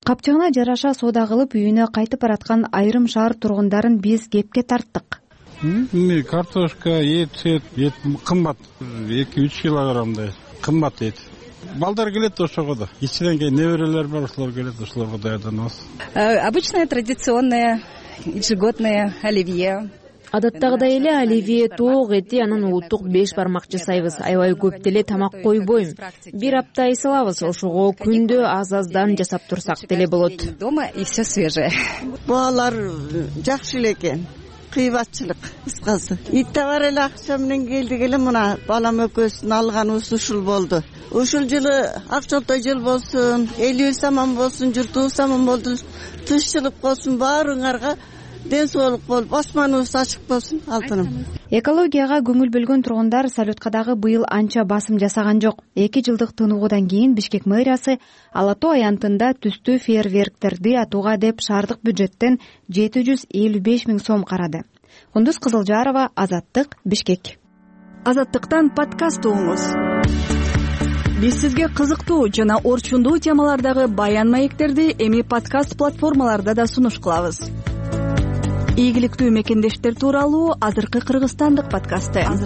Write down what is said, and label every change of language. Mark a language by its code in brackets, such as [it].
[ky] Капчыгына жараша соода кылып үйүнө кайтып бараткан айрым шаар тургундарын биз кепке тарттык. Эми картошка, эт кымбат, 2-3 килограммдай кымбат эт. Балдар келет ошого да. Кичинен кийин неберелер бар, ошолор келет, ошолорго даярданабыз. [ru] Обычное традиционное ежегодное оливье. [ky] Адаттагыдай эле оливье, тоок эти анын улуттук беш бармакчы сайбыз. Аябай көп деле тамак койбойм. Бир апта эсалабыз, ошого күндө аз-аздан жасап турсак деле болот. [ru] Дома и все свежее. [ky] Баалар жакшы эле экен. кыйбатчылык кыскасы. Ит товар эле акча менен келдик эле мына балам өкөсүн алган ушул болду. Ушул жылы акчолтой жыл болсун, элибиз аман болсун, журтубуз аман болду, тынччылык болсун баарыңарга. Ден соолук болуп, басманыбыз ачык болсун, алтыным. Экологияга көңүл бөлгөн тургундар салютка дагы быйыл анча басым жасаган жок. Эки жылдык тыныгуудан кийин Бишкек мэриясы Ала Тоо аянтында түстүү фейерверктерди атууга деп шаардык бюджеттен 755,000 сом карады. Кундуз Кызылжарова, Азаттык, Бишкек. Азаттыктан подкаст угуңуз. Биз сизге кызыктуу жана орчундуу темалардагы баян маектерди эми подкаст платформаларда да сунуш кылабыз. Ийгиликтүү мекендештер тууралуу азыркы кыргызстандык подкасты.